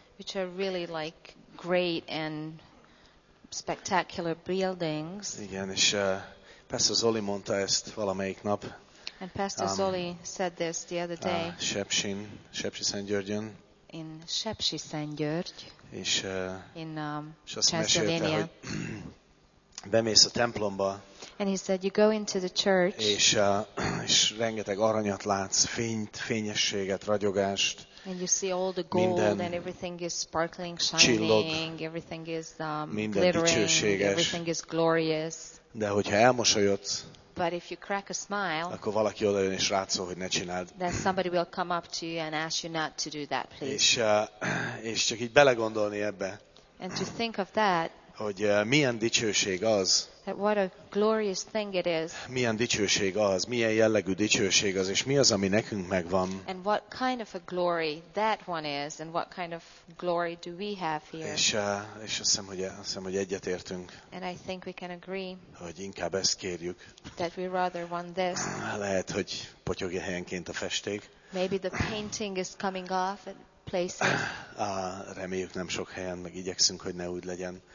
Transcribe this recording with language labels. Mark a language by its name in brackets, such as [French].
[English] Which are really like great and spectacular buildings. [Hungarian] Igen, és Pastor Zoli mondta ezt valamelyik nap. [English] And Pastor Zoli said this the other day. [Hungarian] Sepsiszentgyörgyön. [English] In Sepsiszentgyörgy. [Hungarian] És [English] Transylvania. [Hungarian] Bemész a templomba. [English] And he said, you go into the church. [Hungarian] És rengeteg aranyat látsz, fényt, fényességet, ragyogást. [English] And you see all the gold and everything is sparkling, shining, everything is glittering, everything is glorious. [Hungarian] De hogyha elmosolyodsz, [English] but if you crack a smile, [Hungarian] akkor valaki odajön és rád szól, hogy ne csináld. [English] Then somebody will come up to you and ask you not to do that, please. [Hungarian] És csak így belegondolni ebbe. [English] And to think of that. [Hungarian] Hogy milyen dicsőség az. [English] What a glorious thing it is. [Hungarian] Milyen dicsőség az, milyen jellegű dicsőség az, és mi az, ami nekünk megvan. [English] And what kind of a glory that one is, and what kind of glory do we have here? [Hungarian] És azt hiszem, hogy egyetértünk. [English] And I think we can agree. [Hungarian] Hogy inkább ezt kérjük. [English] That we rather want this. [Hungarian] Lehet, hogy potyogja helyenként a festék. [English] Maybe the painting is coming off at places. [Hungarian] Reméljük nem sok helyen, meg igyekszünk, hogy ne úgy legyen.